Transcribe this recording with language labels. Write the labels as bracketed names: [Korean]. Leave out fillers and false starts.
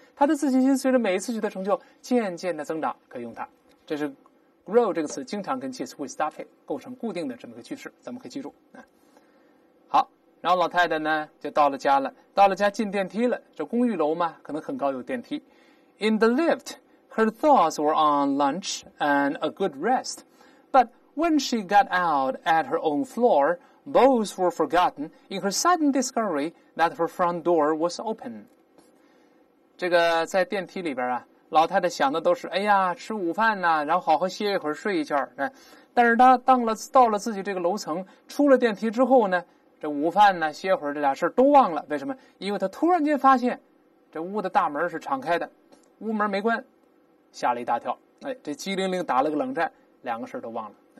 [Chinese] 他的自信心随着每一次取得成就渐渐的增长，可以用它。这是 grow 这个词经常跟介词 with 搭配，构成固定的这么个句式，咱们可以记住。好，然后老太太呢就到了家了，到了家进电梯了，这公寓楼嘛可能很高有电梯。 [English] In the lift her thoughts were on lunch and a good rest, but when she got out at her own floor those were forgotten in her sudden discovery that her front door was open。 [Chinese] 这个在电梯里边啊，老太太想的都是哎呀吃午饭呢，然后好好歇一会儿睡一觉，哎，但是她到了自己这个楼层，出了电梯之后呢，这午饭呢歇会儿这俩事都忘了。为什么？因为她突然间发现这屋的大门是敞开的，屋门没关，吓了一大跳，哎，这机灵灵打了个冷战，两个事都忘了。